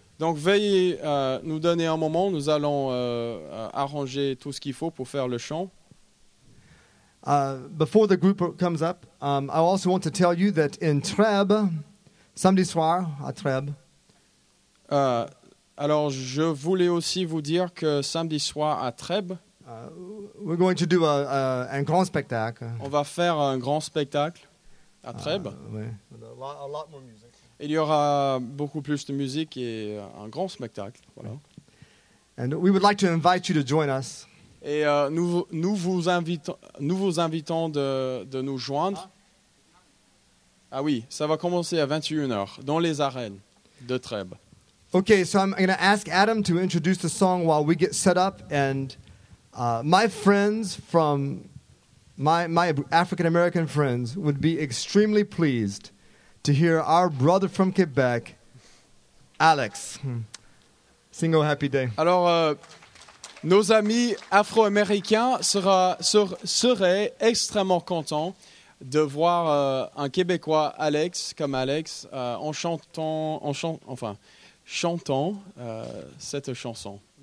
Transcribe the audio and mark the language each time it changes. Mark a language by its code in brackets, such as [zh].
[fr] Donc veuillez nous donner un moment, nous allons arranger tout ce qu'il faut pour faire le chant. [en] Before the group comes up, I also want to tell you that in Treb, [fr] samedi soir à Treb. Alors je voulais aussi vous dire que samedi soir à Treb, [en] We're going to do [fr] un grand spectacle. On va faire un grand spectacle à Trèbes. [en] A lot more music. [fr] Il y aura beaucoup plus de musique et un grand spectacle. Voilà. [en] And we would like to invite you to join us. [fr] Et nous vous invitons de nous joindre. Ah oui, ça va commencer à 21h dans les arènes de Trèbes. [en] Okay, so I'm going to ask Adam to introduce the song while we get set up and my friends from my African American friends would be extremely pleased to hear our brother from Quebec, Alex, sing "Oh Happy Day." [fr] Alors, nos amis afro-américains seraient extrêmement contents de voir un Québécois, Alex, comme Alex, chantant cette chanson.